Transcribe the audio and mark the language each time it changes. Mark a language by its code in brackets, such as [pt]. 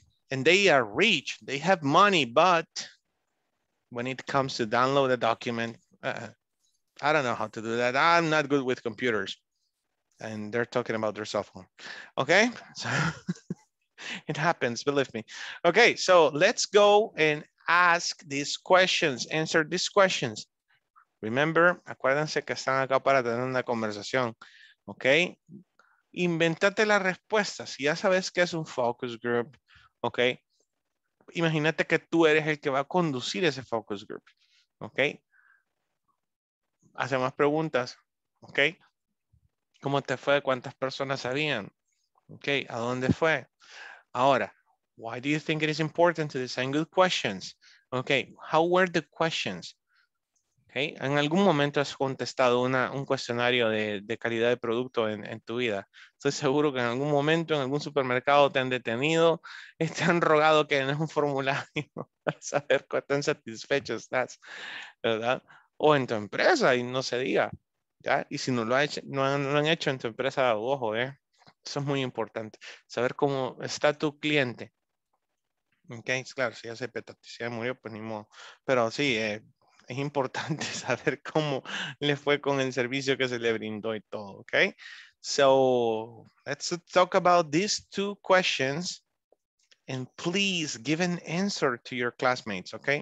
[en] And they are rich, they have money, but when it comes to download a document, I don't know how to do that. I'm not good with computers. And they're talking about their cell phone. Okay, so it happens, believe me. Okay, so let's go and ask these questions, answer these questions. Remember, [es] acuérdense que están acá para tener una conversación, okay? Inventate la respuesta. Si ya sabes que es un focus group, okay? Imagínate que tú eres el que va a conducir ese focus group, okay? Hace más preguntas, okay? ¿Cómo te fue? ¿Cuántas personas habían? Okay, ¿a dónde fue? Ahora, [en] why do you think it is important to design good questions? Okay, how were the questions? [es] Okay, en algún momento has contestado un cuestionario de calidad de producto en tu vida. Estoy seguro que en algún momento en algún supermercado te han detenido, te han rogado que en un formulario para saber cuán satisfecho estás, ¿verdad? O en tu empresa, y no se diga, ¿ya? Y si no lo han hecho en tu empresa, ojo, eso es muy importante. Saber cómo está tu cliente. Okay, claro, si ya se petó, si ya murió, pues ni modo. Pero sí, es importante saber cómo le fue con el servicio que se le brindó y todo, okay? [en] So, let's talk about these two questions and please give an answer to your classmates, okay?